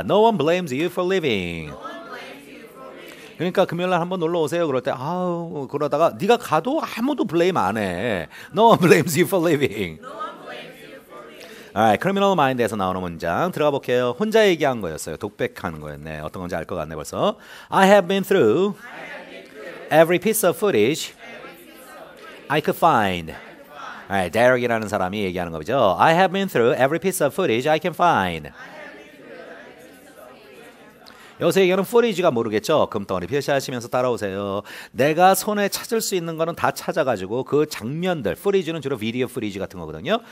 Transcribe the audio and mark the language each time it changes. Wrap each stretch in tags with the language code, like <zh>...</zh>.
<en>No one blames you for leaving.</en> <ko>그러니까 금요일 날 한번 놀러 오세요. 그럴 때 아우 그러다가 네가 가도 아무도 블레임 안 해.</ko> <en>No one blames you for leaving.</en> <ko>아, 크리미널 마인드에서 나오는 문장 들어가 볼게요. 혼자 얘기한 거였어요. 독백하는 거였네. 어떤 건지 알것 같네. 벌써.</ko> <en>I have been through every piece of footage I could find.</en> <ko>아, 데렉이라는 사람이 얘기하는 거죠.</ko> <en>I have been through every piece of footage I can find.</en> <ko>여기서 얘기하는 footage가 모르겠죠? 금덩어리 표시하시면서 따라오세요. 내가 손에 찾을 수 있는 거는 다 찾아가지고 그 장면들, footage는 주로 video footage 같은 거거든요.</ko>